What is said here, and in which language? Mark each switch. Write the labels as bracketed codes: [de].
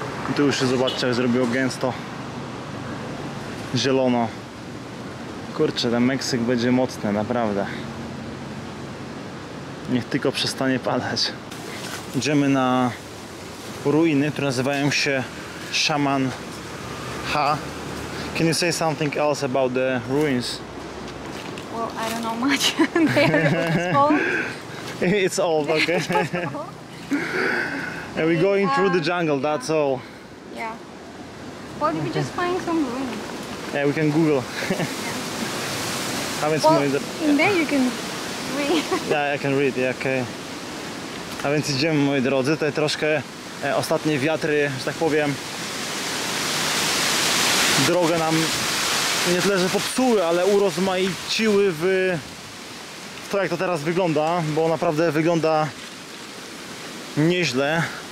[pl] I tu już się zobaczcie, jak zrobiło gęsto. Zielono. Kurczę, ten Meksyk będzie mocny, naprawdę. Niech tylko przestanie padać. Idziemy na ruiny, które nazywają się Shaman Ha. [en] Can you say something else about the ruins? Well, I don't know much. They are old. It's old, okay. And we're going through the jungle, that's all. Yeah. Well, we just find some ruins. Yeah, we can Google. Haven't seen the... in there you can read. Yeah, I can read, yeah, okay. [pl] A więc idziemy, moi drodzy, tutaj troszkę ostatnie wiatry, że tak powiem, drogę nam nie tyle, że popsuły, ale urozmaiciły w to, jak to teraz wygląda, bo naprawdę wygląda nieźle.